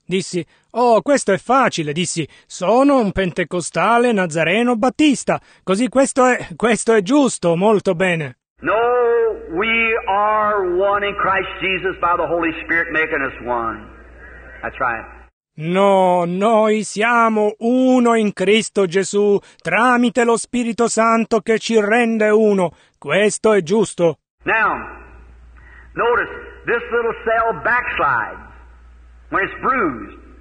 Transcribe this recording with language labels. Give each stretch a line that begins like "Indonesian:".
Italian: Dissi, oh, questo è facile. Dissi, sono un pentecostale nazareno battista. Così questo è giusto, molto bene.
English: No, we are one in Christ Jesus by the Holy Spirit making us one. That's right.
Italian: No, noi siamo uno in Cristo Gesù tramite lo Spirito Santo che ci rende uno. Questo è giusto.
English: Now, notice, this little cell backslides when it's bruised.